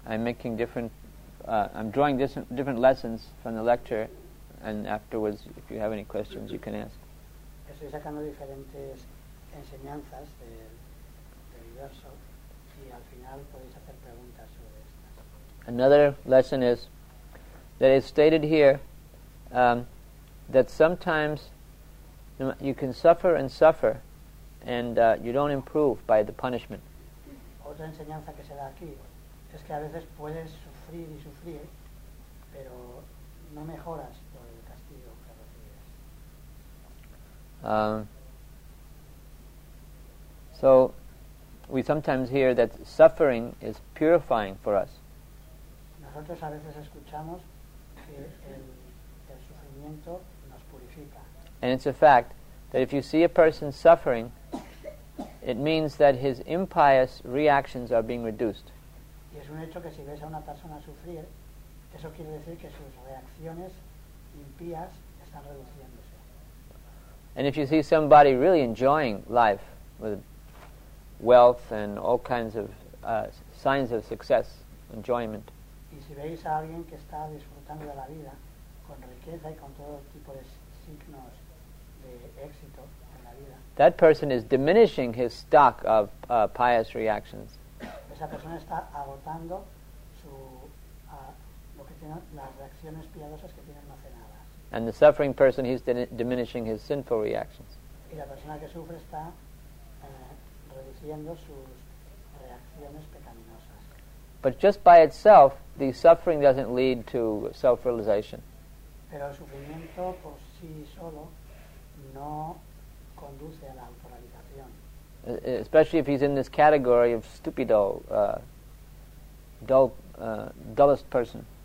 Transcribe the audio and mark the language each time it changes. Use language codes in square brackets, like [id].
[en] I'm making different I'm drawing different lessons from the lecture, and afterwards, if you have any questions, you can ask. [es] Estoy sacando diferentes enseñanzas del verso, y al final podéis hacer preguntas sobre estas. [en] Another lesson is that it's stated here that sometimes you can suffer and suffer, and you don't improve by the punishment. [es] Otra enseñanza que se da aquí es que a veces puedes sufrir y sufrir, pero no mejoras por el castigo que recibes. [en] So we sometimes hear that suffering is purifying for us. [es] Nosotros a veces escuchamos que el sufrimiento nos purifica. [en] And it's a fact that if you see a person suffering, it means that his impious reactions are being reduced. [es] Y es un hecho que si ves a una persona sufrir, eso quiere decir que sus reacciones impías están reduciéndose. [en] And if you see somebody really enjoying life with wealth and all kinds of signs of success, enjoyment. [es] Y si veis a alguien que está disfrutando de la vida con riqueza y con todo tipo de signos de éxito en la vida. [en] That person is diminishing his stock of pious reactions. [es] Esa persona está agotando su lo que tiene, las reacciones piadosas que tiene almacenadas. [en] And the suffering person, he's diminishing his sinful reactions. [es] Y la persona que sufre está reduciendo sus reacciones pecaminosas. [en] But just by itself, the suffering doesn't lead to self-realization. [es] Pero el sufrimiento por sí solo no conduce a la autorrealización. [en] Especially if he's in this category of stupido, dullest person.